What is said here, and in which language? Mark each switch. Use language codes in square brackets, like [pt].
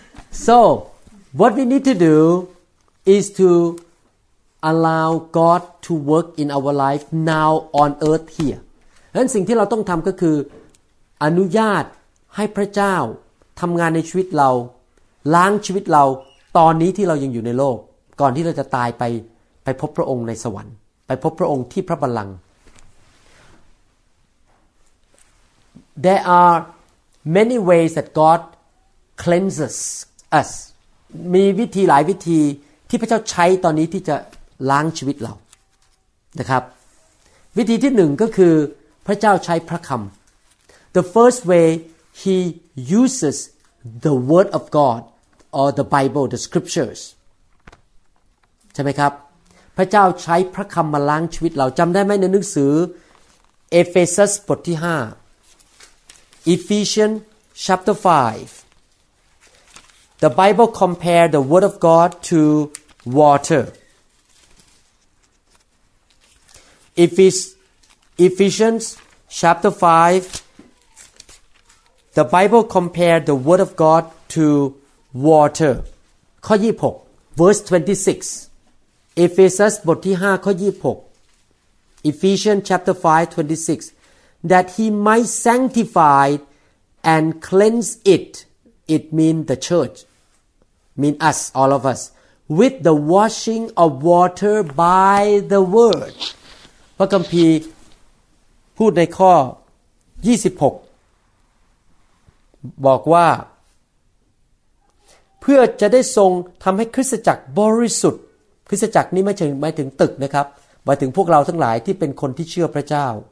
[en] So what we need to do is to allow God to work in our life now on earth here. [th] งั้นสิ่งที่เราต้องทำก็คืออนุญาตให้พระเจ้าทำงานในชีวิตเราล้างชีวิตเราตอนนี้ที่เรายังอยู่ในโลกก่อนที่เราจะตายไปพบพระองค์ในสวรรค์ไปพบพระองค์ที่พระบัลลังก์ [en] There are many ways that God cleanses us [th] มีวิธีหลายวิธีที่พระเจ้าใช้ตอนนี้ที่จะล้างชีวิตเรานะครับวิธีที่หนึ่งก็คือพระเจ้าใช้พระคำ [en] The first way he usesThe word of God or the Bible, the scriptures. [th] ใช่ไหมครับพระเจ้าใช้พระคำมาล้างชีวิตเราจำได้ไหมในหนังสือเอเฟซัสบทที่ห้า [en] Ephesians chapter 5 The Bible compare the word of God to water. Ephesians chapter 5The Bible compare the word of God to water. [th] ข้อ26 [en] verse 26. [th] Ephesians บทที่5ข้อ26. [en] Ephesians chapter 5 26. That he might sanctify and cleanse it. It mean the church. Mean us, all of us. With the washing of water by the word. [th] พระคัมภีร์พูดในข้อ26บอกว่าเพื่อจะได้ทรงทำให้คริสตจักรบริสุทธิ์คริสตจักรนี่ไม่ถึงหมายถึงตึกนะครับหมายถึงพวกเราทั้งหลายที่เป็นคนที่เชื่อพระเจ้า